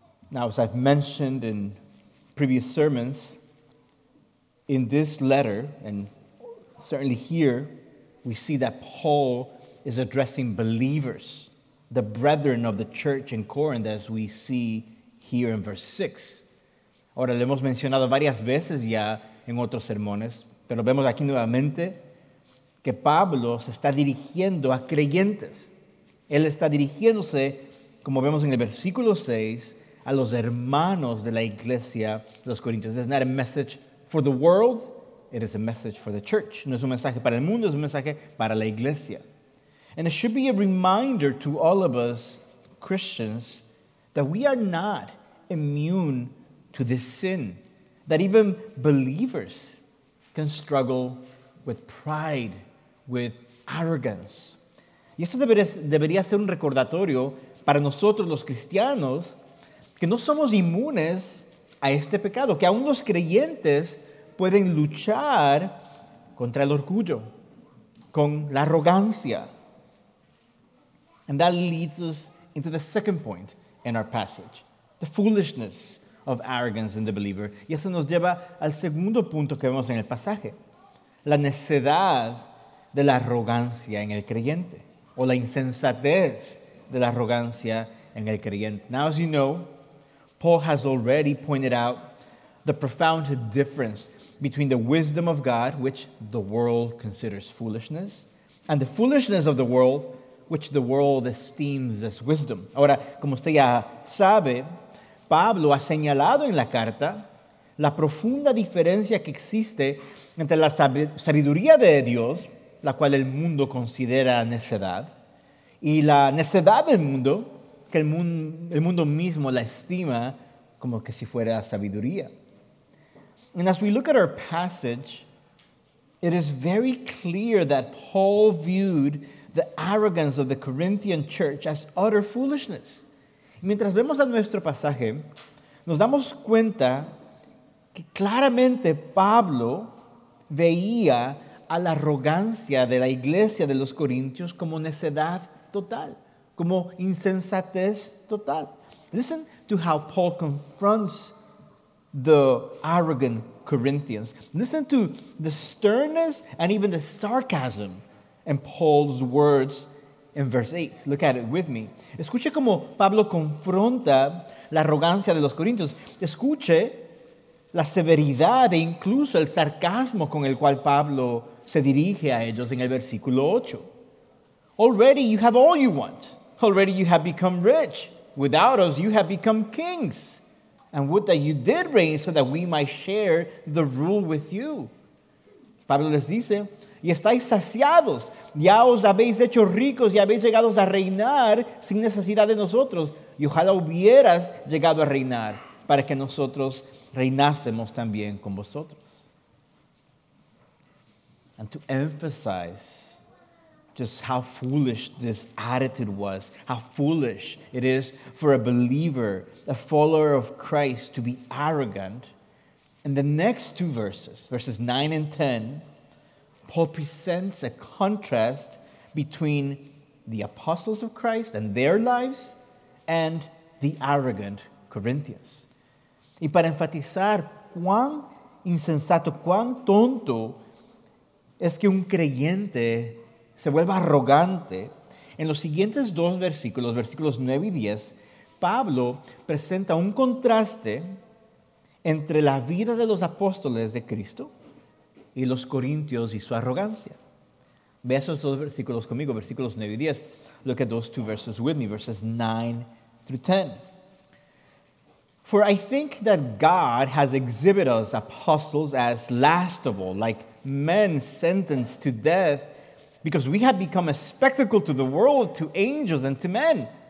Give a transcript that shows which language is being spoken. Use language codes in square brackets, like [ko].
[en] Now, as I've mentioned in previous sermons, in this letter, and certainly here, we see that Paul is addressing believers, the brethren of the church in Corinth, as we see here in verse 6. [es] Ahora, lo hemos mencionado varias veces ya en otros sermones, pero vemos aquí nuevamente que Pablo se está dirigiendo a creyentes. Él está dirigiéndose, como vemos en el versículo 6, a los hermanos de la iglesia de los corintios. [en] It's not a message for the world, it is a message for the church. [es] No es un mensaje para el mundo, es un mensaje para la iglesia. [en] And it should be a reminder to all of us Christians that we are not immune to this sin, that even believers can struggle with pride, with arrogance. [es] Y esto debería ser un recordatorio para nosotros los cristianos que no somos inmunes a este pecado, que aún los creyentes pueden luchar contra el orgullo, con la arrogancia. [en] And that leads us into the second point in our passage, the foolishness of arrogance in the believer. [es] Y eso nos lleva al segundo punto que vemos en el pasaje, la necedad de la arrogancia en el creyente, o la insensatez de la arrogancia en el creyente. [en] Now, as you know, Paul has already pointed out the profound difference between the wisdom of God, which the world considers foolishness, and the foolishness of the world, which the world esteems as wisdom. [es] Ahora, como usted ya sabe, Pablo ha señalado en la carta la profunda diferencia que existe entre la sabiduría de Dios, la cual el mundo considera necedad, y la necedad del mundo, que el mundo mismo la estima como que si fuera sabiduría. [en] And as we look at our passage, it is very clear that Paul viewed the arrogance of the Corinthian church as utter foolishness. [es] Mientras vemos a nuestro pasaje, nos damos cuenta que claramente Pablo veía a la arrogancia de la iglesia de los corintios como necedad total, como insensatez total. [en] Listen to how Paul confronts the arrogant Corinthians. Listen to the sternness and even the sarcasm in Paul's words in verse 8. Look at it with me. [es] Escuche cómo Pablo confronta la arrogancia de los corintios. Escuche la severidad e incluso el sarcasmo con el cual Pablo se dirige a ellos en el versículo 8. [en] Already you have all you want. Already you have become rich. Without us you have become kings. And would that you did reign so that we might share the rule with you. [es] Pablo les dice, y estáis saciados. Ya os habéis hecho ricos y habéis llegado a reinar sin necesidad de nosotros. Y ojalá hubieras llegado a reinar para que nosotros reinásemos también con vosotros. [en] And to emphasize just how foolish this attitude was, how foolish it is for a believer, a follower of Christ, to be arrogant, in the next two verses, verses 9 and 10, Paul presents a contrast between the apostles of Christ and their lives and the arrogant Corinthians. [es] Y para enfatizar cuán insensato, cuán tonto es que un creyente se vuelva arrogante, en los siguientes dos versículos, versículos 9 y 10, Pablo presenta un contraste entre la vida de los apóstoles de Cristo y los corintios y su arrogancia. Ve esos dos versículos conmigo, versículos 9 y 10. [en] Look at those two verses with me, verses 9 through 10. For I think that God has exhibited us apostles as last of all, like men sentenced to death, because we have become a spectacle to the world, to angels and to men.